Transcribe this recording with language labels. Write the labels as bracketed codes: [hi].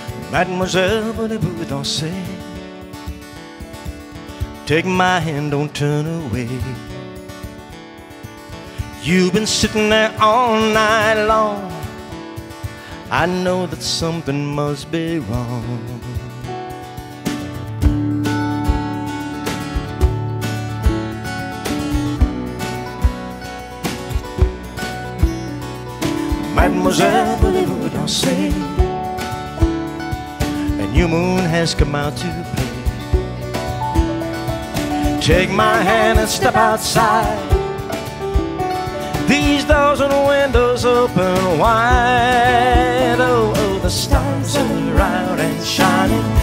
[fr] Mademoiselle, voulez-vous danser? [en] Take my hand, don't turn away. You've been sitting there all night long. I know that something must be wrong. [fr] Mademoiselle, voulez-vous danser? [en] A new moon has come out to play. Take my hand and step outside. These thousand windows open wide. Oh, oh, the stars are out and shining.